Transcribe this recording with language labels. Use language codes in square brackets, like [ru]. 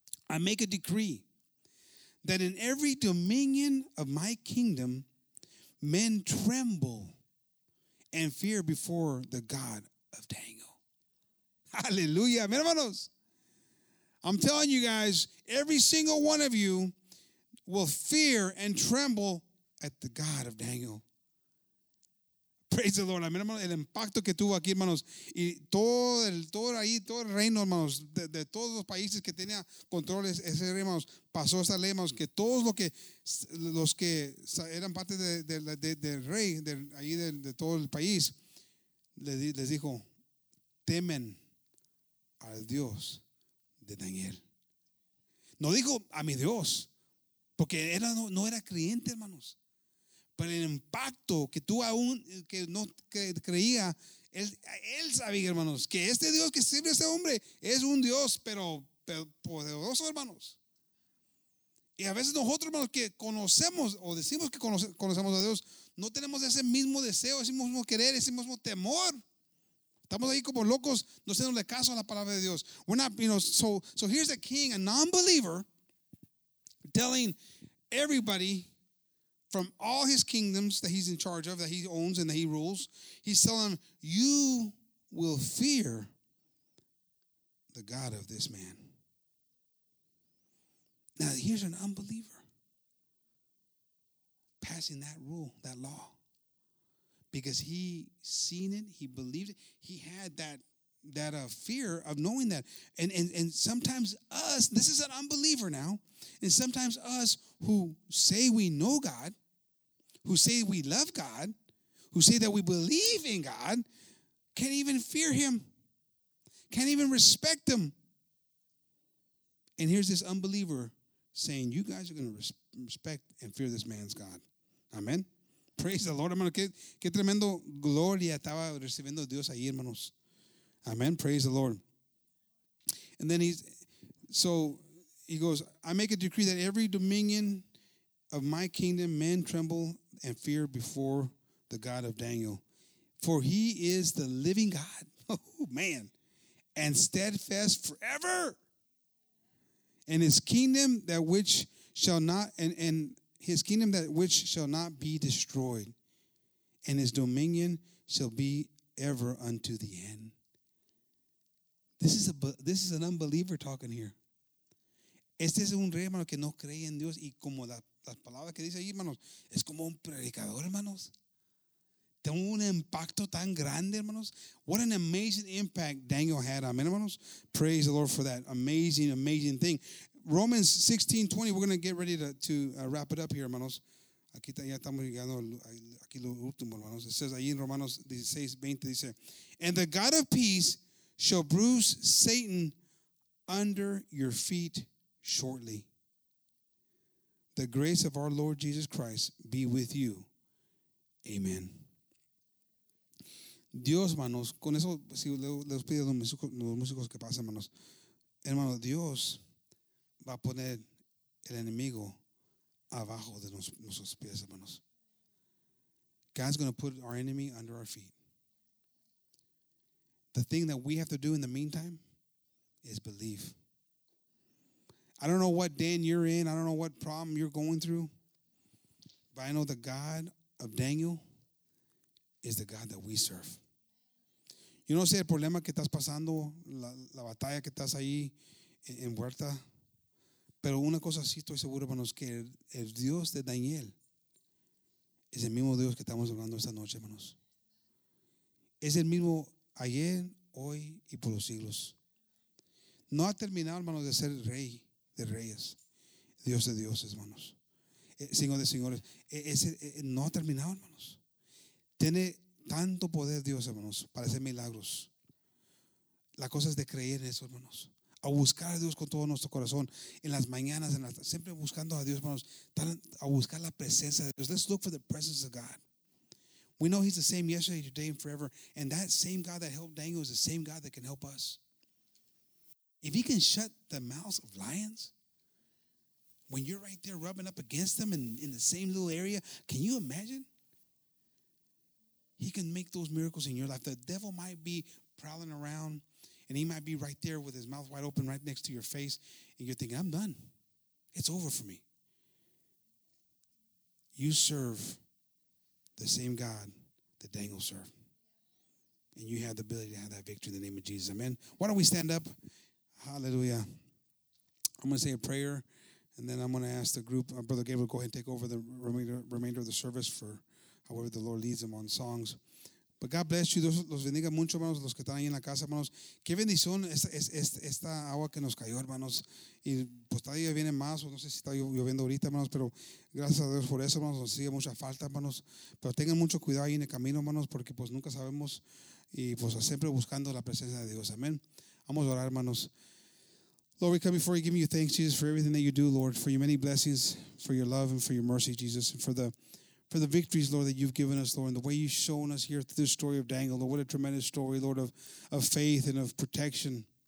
[en] I make a decree that in every dominion of my kingdom, men tremble and fear before the God of Daniel. Hallelujah. [es] Amen, hermanos. [en] I'm telling you guys, every single one of you will fear and tremble at the God of Daniel. Praise the Lord. [es] Amen, hermanos. El impacto que tuvo aquí, hermanos. Y todo el reino, hermanos, de todos los países que tenía control ese reino, hermanos, pasó esa ley, hermanos, que todos los que eran parte del rey, de todo el país, les dijo, temen al Dios de Daniel. No dijo a mi Dios, porque no era creyente, hermanos. Pero el impacto que tuvo aún que no creía, él sabía, hermanos, que este Dios que sirve a este hombre es un Dios, pero poderoso, hermanos. Y a veces nosotros, hermanos, que conocemos o decimos que conocemos a Dios, no tenemos ese mismo deseo, ese mismo querer, ese mismo temor. Estamos ahí como locos, no haciéndole caso a la palabra de Dios. [en] We're not, you know, so here's a king, a non-believer, telling everybody from all his kingdoms that he's in charge of, that he owns and that he rules, he's telling them, you will fear the God of this man. Now, here's an unbeliever passing that rule, that law, because he seen it, he believed it, he had that fear of knowing that. And sometimes us, this is an unbeliever now, and sometimes us who say we know God, who say we love God, who say that we believe in God, can't even fear him, can't even respect him. And here's this unbeliever saying, you guys are going to respect and fear this man's God. Amen. Praise the Lord, hermano. [es] Qué tremendo gloria estaba recibiendo Dios ahí, hermanos. [en] Amen. Praise the Lord. And then he goes, I make a decree that every dominion of my kingdom, men tremble and fear before the God of Daniel. For he is the living God. Oh, man. And steadfast forever. And his kingdom that which shall not, and his kingdom that which shall not be destroyed, and his dominion shall be ever unto the end. This is an unbeliever talking here. [es] Este es un rey, hermano, que no cree en Dios. Y como las palabras que dice ahí, hermanos, es como un predicador, hermanos. Tengo un impacto tan grande, hermanos. [en] What an amazing impact Daniel had on me, hermanos. Praise the Lord for that amazing, amazing thing. Romans 16:20, we're going to get ready to wrap it up here, hermanos. [es] Aquí ya estamos llegando aquí lo último, hermanos. [en] It says [es] ahí en Romanos 16:20, dice, [en] and the God of peace shall bruise Satan under your feet shortly. The grace of our Lord Jesus Christ be with you. Amen. [es] Dios, hermanos, con eso, si les pido a los músicos que pasen, hermanos. Hermano, Dios va a poner el enemigo abajo de nuestros pies, hermanos. [en] God's going to put our enemy under our feet. The thing that we have to do in the meantime is believe. I don't know what den you're in. I don't know what problem you're going through. But I know the God of Daniel is the God that we serve. [es] Yo no sé el problema que estás pasando, la batalla que estás ahí en huerta. Pero una cosa sí estoy seguro, hermanos, que el Dios de Daniel es el mismo Dios que estamos hablando esta noche, hermanos. Es el mismo ayer, hoy y por los siglos. No ha terminado, hermanos, de ser rey de reyes, Dios de dioses, hermanos. Señor de señores, no ha terminado, hermanos. Tiene tanto poder Dios, hermanos, para hacer milagros. La cosa es de creer en eso, hermanos. A buscar a Dios con todo nuestro corazón. En las mañanas, siempre buscando a Dios, hermanos. A buscar la presencia de Dios. [en] Let's look for the presence of God. We know he's the same yesterday, today, and forever. And that same God that helped Daniel is the same God that can help us. If he can shut the mouths of lions, when you're right there rubbing up against them in the same little area, can you imagine? He can make those miracles in your life. The devil might be prowling around, and he might be right there with his mouth wide open right next to your face, and you're thinking, I'm done. It's over for me. You serve the same God that Daniel served, and you have the ability to have that victory in the name of Jesus. Amen. Why don't we stand up? Hallelujah. I'm going to say a prayer, and then I'm going to ask the group, Brother Gabriel, go ahead and take over the remainder of the service for however the Lord leads them on songs. But God bless you. [es] Dios los bendiga mucho, hermanos, los que están ahí en la casa, hermanos. Qué bendición esta agua que nos cayó, hermanos. Y pues todavía viene más, o no sé si está lloviendo ahorita, hermanos, pero gracias a Dios por eso, hermanos, nos sigue mucha falta, hermanos. Pero tengan mucho cuidado ahí en el camino, hermanos, porque pues nunca sabemos y pues siempre buscando la presencia de Dios. Amén. Vamos a orar, hermanos. [en] Lord, we come before you, giving you thanks, Jesus, for everything that you do, Lord, for your many blessings, for your love, and for your mercy, Jesus, and for the victories, Lord, that you've given us, Lord, and the way you've shown us here through the story of Daniel. Lord, what a tremendous story, Lord, of faith and of protection.